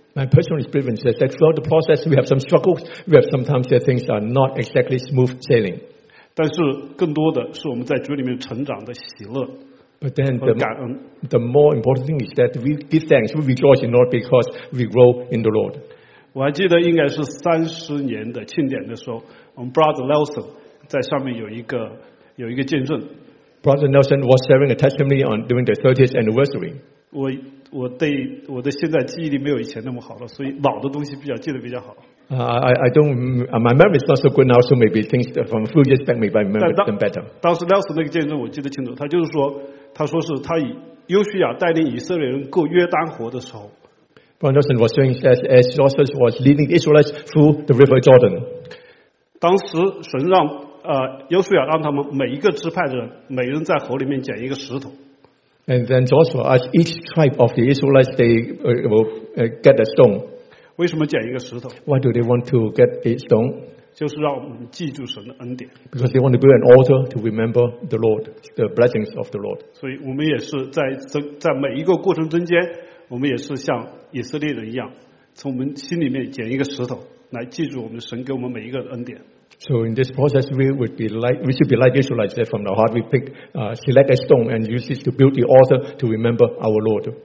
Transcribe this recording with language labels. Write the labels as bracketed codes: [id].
[en] My personal experience is that throughout the process we have some struggles, we have sometimes that things are not exactly smooth sailing. [zh] 但是更多的是我们在主里面成长的喜乐。 [en] But then the more important thing is that we give thanks, we rejoice in the Lord because we grow in the Lord. [zh] 我还记得应该是30年的庆典的时候，我们 Brother Nelson 在上面有一个见证。 [en] Brother Nelson was sharing a testimony on during the 30th anniversary. [zh] 我的现在记忆力没有以前那么好了，所以老的东西比较记得比较好。 [en] My memory is not so good now, so maybe things from a few years back maybe I remember them better. [zh] 当时 Nelson 那个见证我记得清楚，他说是他以约书亚带领以色列人过约旦河的时候。 [en] Brother Nelson was saying that as Joseph was leading the Israelites through the River Jordan. [zh] 当时神让约书亚让他们每一个支派的人每人在河里面捡一个石头。 [en] And then Joshua asked each tribe of the Israelites they will get a stone. [zh] 为什么捡一个石头？ [en] Why do they want to get a stone? [zh] 就是让我们记住神的恩典。 [en] Because they want to build an altar to remember the Lord, the blessings of the Lord. [zh] 所以我们也是在每一个过程中间，我们也是像以色列人一样，从我们心里面捡一个石头，来记住我们神给我们每一个恩典。 [en] So in this process, we should be like Israelites. That from the heart, we pick, select a stone and use it to build the altar to remember our Lord.